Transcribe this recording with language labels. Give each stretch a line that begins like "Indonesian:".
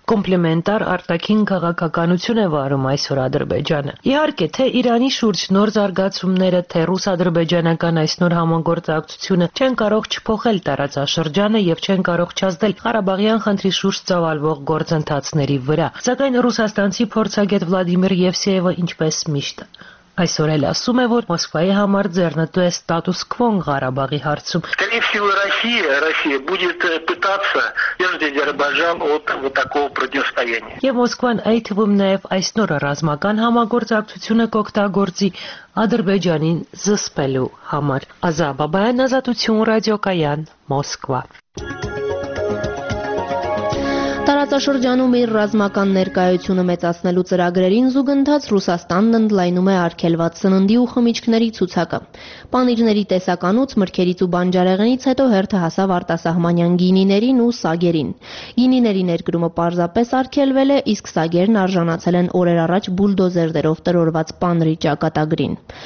Armenian: Կոմպլիմենտար արտաքին քաղաքականություն է վարում այսօր Ադրբեջանը։ Իհարկե, թե Իրանի շուրջ նոր զարգացումները, թե ռուս-ադրբեջանական այս նոր համագործակցությունը չեն կարող չփոխել տարածաշրջանը և չեն կարող չազդել Ղարաբաղյան խնդրի շուրջ ծավալվող գործընթացների վրա, սակայն ռուսաստանցի փորձագետ Վլադիմիր Եվսեևը, ինչպես միշտ, այսօր էլ ասում է, որ Մոսկվայի համար ձեռնտու է ստատուս քվոն Ղարաբաղի հարցում։
Russian: Россия будет пытаться вернуть Азербайджан от вот такого противостояния.
Armenian: Եվ Մոսկվան այ թվում նաև այս նոր ռազմական համագործակցությունը կօգտագործի Ադրբեջանին զսպելու համար։ Ազա Բաբայան, Ազատություն ռադիոկայան, Մոսկվա։ Տարածաշրջանում իր ռազմական ներկայությունը մեծացնելու ծրագրերին զուգընթաց Ռուսաստանն ընդլայնում է արգելված սննդի ու խմիչքների ցուցակը։ Պանիրների տեսականուց, մրգերից ու բանջարեղենից հետո հերթը հասավ արտասահմանյան գինիներին ու սագերին։ Գինիների ներկրումը պարզապես արգելվել է, իսկ սագերն արժանացել են օրեր առաջ բուլդոզերներով տրորված պանրի ճակատագրին։